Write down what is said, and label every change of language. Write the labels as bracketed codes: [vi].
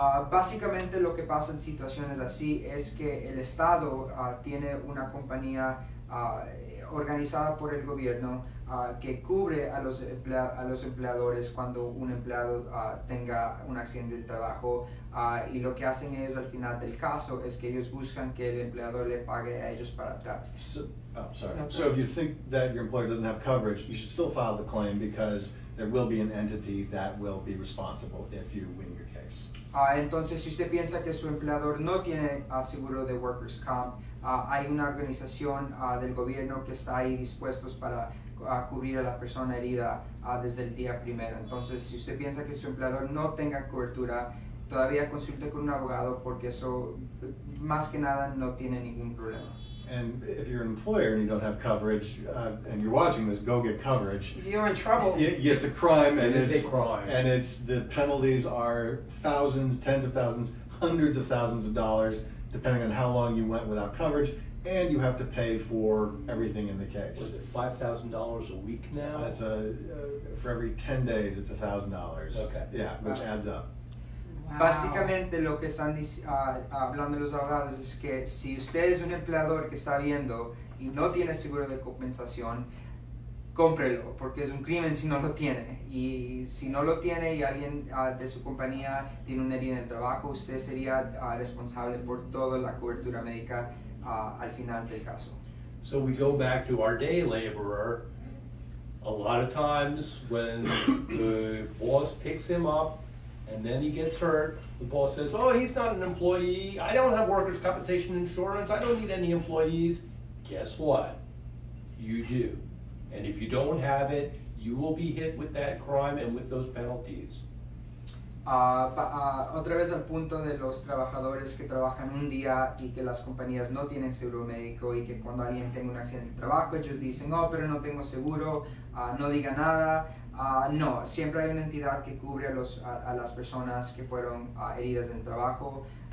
[es] Básicamente lo que pasa en situaciones así es que el Estado tiene una compañía organizada por el gobierno que cubre a los empleadores cuando un empleado tenga un accidente de trabajo, y lo que hacen ellos al final del caso es que ellos buscan que el empleador le pague a ellos para atrás. [en] So if you think that your employer doesn't have coverage, you should still file the claim because there will be an entity that will be responsible if you win your case. [es] Entonces, si usted piensa que su empleador no tiene seguro de workers' comp, hay una organización del gobierno que está ahí dispuestos para cubrir a la persona herida desde el día primero. Entonces, si usted piensa que su empleador no tenga cobertura, todavía consulte con un abogado porque eso, más que nada, no tiene ningún problema. [en] And if you're an employer and you don't have coverage, and you're watching this, go get coverage. You're in trouble. It's a crime. It is a crime. And it's the penalties are thousands, tens of thousands, hundreds of thousands of dollars, depending on how long you went without coverage, and you have to pay for everything in the case. Was it $5,000 a week now? That's for every 10 days, it's $1,000. Okay. Yeah, which adds up. Wow. [es] Básicamente lo que están hablando los abogados es que si usted es un empleador que está viendo y no tiene seguro de compensación, cómprelo, porque es un crimen si no lo tiene. Y si no lo tiene y alguien de su compañía tiene una herida en el trabajo, usted sería responsable por toda la cobertura médica al final del caso. [en] So we go back to our day laborer. A lot of times when the boss picks him up, and then he gets hurt, the boss says, oh, he's not an employee, I don't have workers' compensation insurance, I don't need any employees. Guess what? You do. And if you don't have it, you will be hit with that crime and with those penalties. [es] Otra vez al punto de los trabajadores que trabajan un día y que las compañías no tienen seguro médico y que cuando alguien tenga un accidente de trabajo, ellos dicen, oh, pero no tengo seguro, no diga nada. No, siempre hay una entidad que cubre a las personas que fueron heridas en el trabajo.